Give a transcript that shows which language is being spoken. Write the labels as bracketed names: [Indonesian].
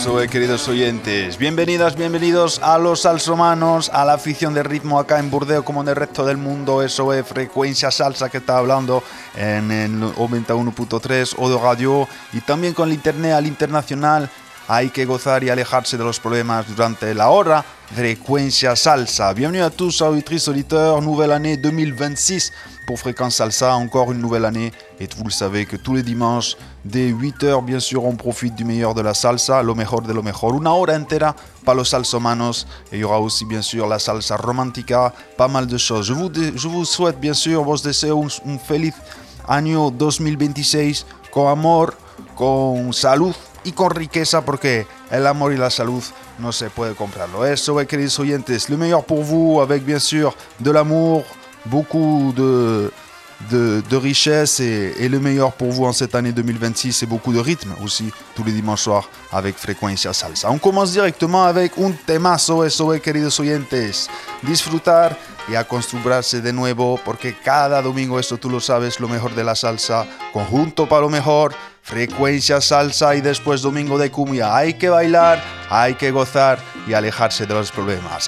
[Spanish] Queridos oyentes, bienvenidas, bienvenidos a los salsomanos, a la afición de ritmo acá en Burdeos como en el resto del mundo. Eso es Frecuencia Salsa, que está hablando en el 91.3 o de radio y también con el internet al internacional. Hay que gozar y alejarse de los problemas durante la hora. Frecuencia Salsa. [French] Bienvenido a tous, auditrices, auditeurs, nouvelle année 2026 pour Fréquence Salsa, encore une nouvelle année. Et vous le savez que tous les dimanches, dès 8h, bien sûr, on profite du meilleur de la salsa, [Spanish] lo mejor de lo mejor. Una hora entera para los salsomanos. [French] Et il y aura aussi, bien sûr, la salsa romántica, pas mal de choses. Je vous souhaite, bien sûr, [Spanish] vos deseos un feliz año 2026, con amor, con salud y con riqueza, porque el amor y la salud no se puede comprarlo. Eso es, queridos oyentes, lo mejor por [French] vous, avec bien sûr de l'amour, beaucoup de richesse et le meilleur pour vous en cette année 2026, et beaucoup de rythme aussi tous les dimanches soirs avec Frecuencia Salsa. On commence directement avec un temazo, [Spanish] eso es, queridos oyentes. Disfrutar y acostumbrarse de nuevo, porque cada domingo, eso tú lo sabes, lo mejor de la salsa, conjunto para lo mejor, Frecuencia Salsa, y después domingo de cumbia. Hay que bailar, hay que gozar y alejarse de los problemas.